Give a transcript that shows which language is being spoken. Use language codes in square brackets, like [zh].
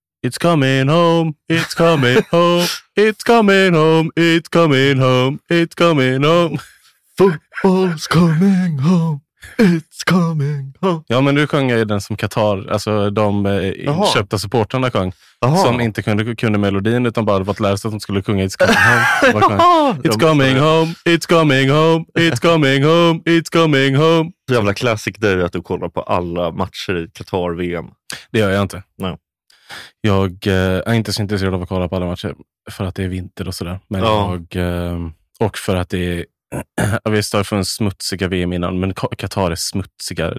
[en] It's coming home, it's coming home, it's coming home, it's coming home, it's coming home. Football's coming home, it's coming home. [sv] Ja, men nu sjöng jag ju den som Qatar, alltså de inköpta supportrarna sjöng. Aha. Som inte kunde melodin utan bara fått lära sig att de skulle sjunga [en] It's coming home. It's coming home, it's coming home, it's coming home, it's coming home. [sv] Jävla [en] classic day [sv] att du kollar på alla matcher i Qatar-VM. Det gör jag inte. Nej. Jag är inte så intresserad av att kolla på alla matcher för att det är vinter och sådär. Men och för att det är... Visst har jag funnits smutsiga VM innan, men Qatar är smutsigare.